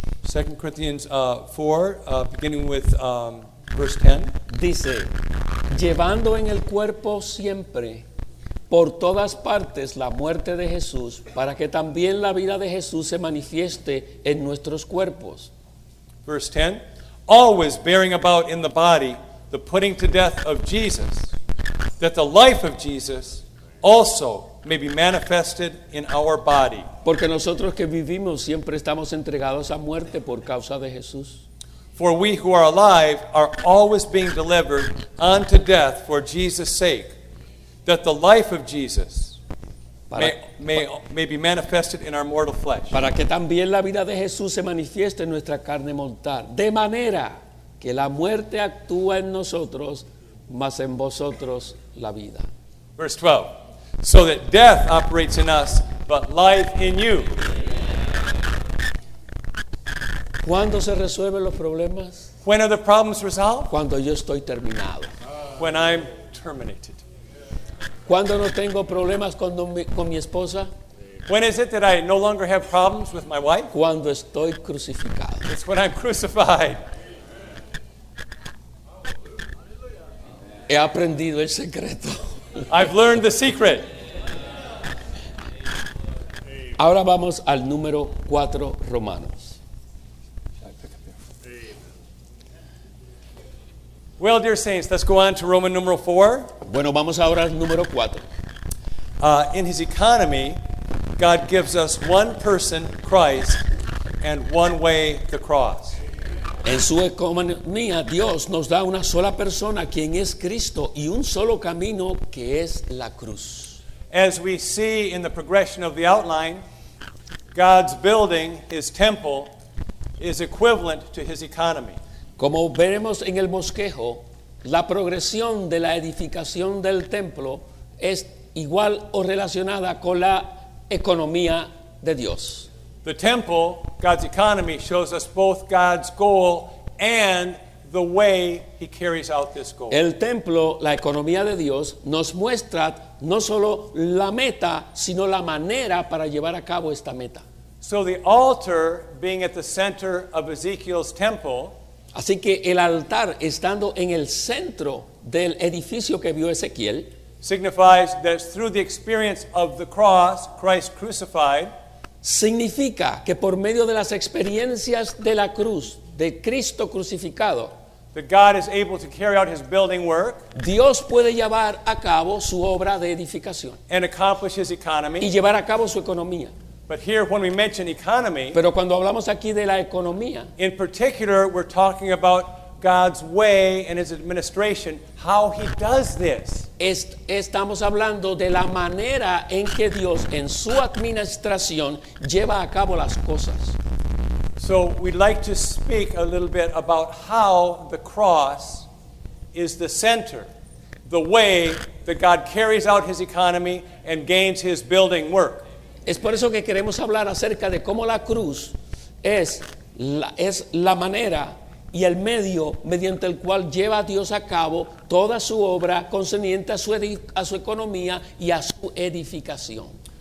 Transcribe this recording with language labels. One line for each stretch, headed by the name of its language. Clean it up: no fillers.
English: 2 Corinthians 4 beginning with verse 10.
Spanish: Dice, llevando en el cuerpo siempre, por todas partes, la muerte de Jesús, para que también la vida de Jesús se manifieste en nuestros cuerpos.
English: Verse 10. Always bearing about in the body the putting to death of Jesus, that the life of Jesus also may be manifested in our body.
Spanish: Porque nosotros que vivimos siempre estamos entregados a muerte por causa de Jesús.
English: For we who are alive are always being delivered unto death for Jesus' sake, that the life of Jesus may be manifested in our mortal flesh.
Spanish: Para que también la vida de Jesús se manifieste en nuestra carne mortal. De manera que la muerte actúa en nosotros, mas en vosotros la vida.
English: Verse 12. So that death operates in us, but life in you.
Spanish: ¿Cuándo se resuelven los problemas?
English: When are the problems resolved?
Spanish: Cuando yo estoy terminado.
English: When I'm terminated.
Spanish: ¿Cuándo no tengo problemas con mi esposa?
English: When is it that I no longer have problems with my wife?
Spanish: Cuando estoy crucificado.
English: It's when I'm crucified.
Spanish: He aprendido el secreto.
English: I've learned the secret.
Spanish: Ahora vamos al número 4, Romanos.
English: Well, dear saints, let's go on to Roman numeral 4.
Spanish: Bueno, vamos ahora al número 4.
English: In his economy, God gives us one person, Christ, and one way, the cross.
Spanish: En su economía, Dios nos da una sola persona, quien es Cristo, y un solo camino, que es la cruz.
English: As we see in the progression of the outline, God's building, his temple, is equivalent to his economy.
Spanish: Como veremos en el bosquejo, la progresión de la edificación del templo es igual o relacionada con la economía de Dios.
English: The temple, God's economy, shows us both God's goal and the way he carries out this goal.
Spanish: El templo, la economía de Dios, nos muestra no solo la meta, sino la manera para llevar a cabo esta meta.
English: So the altar being at the center of Ezekiel's temple,
Spanish: así que el altar estando en el centro del edificio que vio Ezequiel,
English: signifies that through the experience of the cross, Christ crucified,
Spanish: significa que por medio de las experiencias de la cruz, de Cristo crucificado,
English: that God is able to carry out his building work,
Spanish: Dios puede llevar a cabo su obra de edificación,
English: and accomplish his economy,
Spanish: y llevar a cabo su economía.
English: But here, when we mention economy,
Spanish: pero cuando hablamos aquí de la economía,
English: in particular, we're talking about God's way and his administration, how he does this.
Spanish: Estamos hablando de la manera en que Dios, en su administración, lleva a cabo las cosas.
English: So we'd like to speak a little bit about how the cross is the center, the way that God carries out his economy and gains his building work.
Spanish: Es por eso que queremos hablar acerca de cómo la cruz es la manera y el medio mediante el cual lleva a Dios a cabo toda su obra concerniente a su economía y a su edificación.